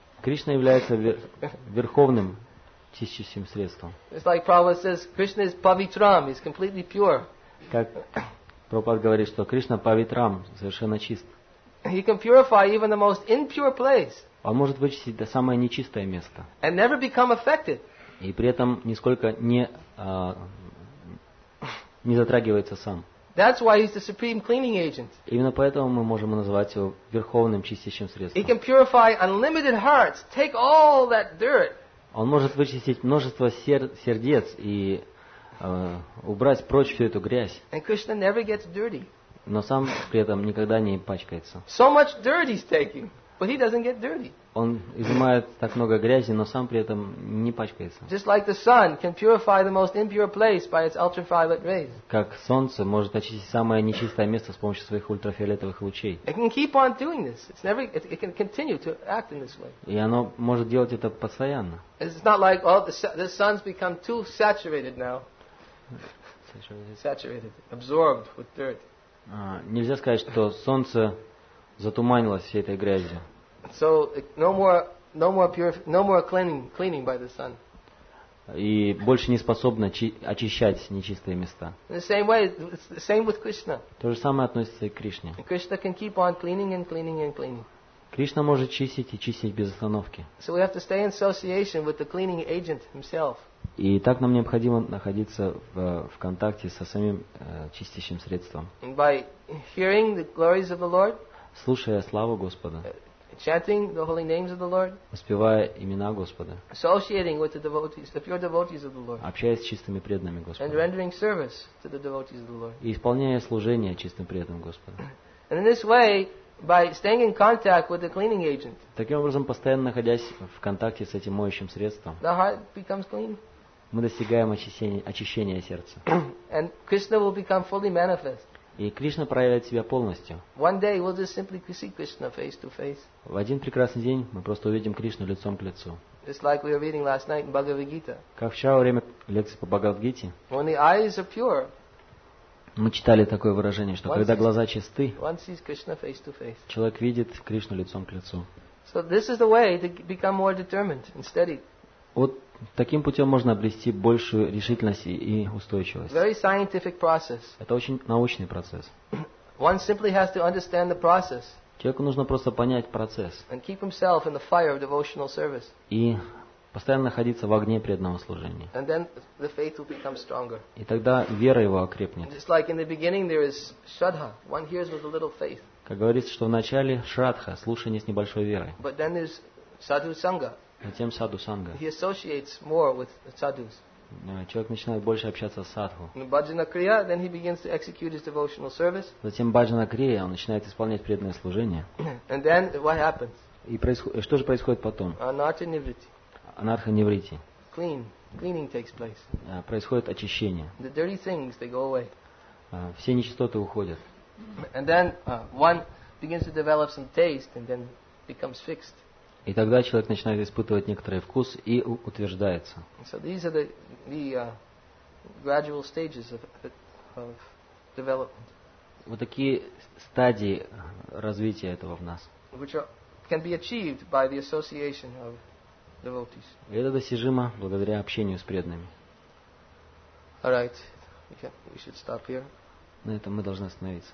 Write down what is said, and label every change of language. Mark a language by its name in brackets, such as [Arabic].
[Russian] Кришна является верховным чистящим средством. [English] It's like Prabhupada says, Krishna is pavitram, he's completely pure. [Russian] Как Прабхупада говорит, что Кришна павитрам, совершенно чист. [English] He can purify even the most impure place. [Russian] Он может вычистить до самое нечистое место. [English] And never become affected. [Russian] И при этом нисколько не затрагивается сам. [English] That's why he's the supreme cleaning agent. [Russian] Именно поэтому мы можем называть его верховным чистящим средством. [English] He can purify unlimited hearts. Take all that dirt. [Russian] Он может вычистить множество сердец и убрать прочь всю эту грязь. [English] And Krishna never gets dirty. [Russian] Но сам при этом никогда не пачкается. [English] So much dirt he's taking, but he doesn't get dirty. [Russian] Он изымает так много грязи, но сам при этом не пачкается. [English] Just like the sun can purify the most impure place by its ultraviolet rays. [Russian] Как солнце может очистить самое нечистое место с помощью своих ультрафиолетовых лучей. [English] It can keep on doing this. It can continue to act in this way. [Russian] И оно может делать это постоянно. [English] It's not like the sun's become too saturated now. Saturated, absorbed with dirt. [Russian] Нельзя сказать, что солнце затуманилось всей этой грязью. [English] So no more cleaning by the sun. [Russian] И больше не способно очищать нечистые места. [English] The same way, the same with Krishna. [Russian] То же самое относится и к Кришне. [English] Krishna can keep on cleaning and cleaning and cleaning. [Russian] Кришна может чистить и чистить без остановки. [English] So we have to stay in association with the cleaning agent himself. [Russian] И так нам необходимо находиться в контакте со самим чистящим средством. [English] By hearing the glories of the Lord. [Russian] Слушая славу Господа. [English] Chanting the holy names of the Lord. [Russian] Воспевая имена Господа. [English] Associating with the devotees, the pure devotees of the Lord. [Russian] Общаясь с чистыми преданными Господа. [English] And rendering service to the devotees of the Lord. [Russian] И исполняя служение чистым преданным Господа. [English] And in this way, by staying in contact with the cleaning agent. [Russian] Таким образом, постоянно находясь в контакте с этим моющим средством. [English] The heart becomes clean. [Russian] Мы достигаем очищения сердца. [English] And Krishna will become fully manifest. [Russian] И Кришна проявит себя полностью. [English] One day we'll just simply see Krishna face to face. [Russian] В один прекрасный день мы просто увидим Кришну лицом к лицу. [English] Just like we were reading last night in Bhagavad Gita. [Russian] Как вчера во время лекции по Бхагавад-гите. [English] When the eyes are pure. [Russian] Мы читали такое выражение, что когда глаза чисты, [English] one sees Krishna face to face. [Russian] Человек видит Кришну лицом к лицу. [English] So this is the way to become more determined and steady. [Russian] Вот таким путем можно обрести большую решительность и устойчивость. [English] Very scientific process. [Russian] Это очень научный процесс. [English] One simply has to understand the process. [Russian] Человеку нужно просто понять процесс. [English] And keep himself in the fire of devotional service. [Russian] И постоянно находиться в огне преданного служения. [English] And then the faith will become stronger. [Russian] И тогда вера его окрепнет. [English] Just like in the beginning there is shraddha. One hears with a little faith. [Russian] Как говорится, что вначале шрадха, слушание с небольшой верой. [English] But then there's sadhu sangha. [Russian] Затем саду санга. [English] He associates more with sadhus. [Russian] Человек начинает больше общаться с садху. [English] Bhajana kriya, then he begins to execute his devotional service. [Russian] Затем bhajana kriya, он начинает исполнять преданное служение. [English] And then what happens? [Russian] И что же происходит потом? [Sanskrit] Anartha nivritti. Anartha nivritti. [English] Cleaning takes place. [Russian] Происходит очищение. [English] The dirty things they go away. [Russian] Все нечистоты уходят. [English] And then one begins to develop some taste and then becomes fixed. [Russian] И тогда человек начинает испытывать некоторый вкус и утверждается. [English] So these are the gradual stages of development. [Russian] Вот такие стадии развития этого в нас. [English] Which can be achieved by the association of devotees. [Russian] И это достижимо благодаря общению с преданными. [English] All right. We should stop here. [Russian] На этом мы должны остановиться.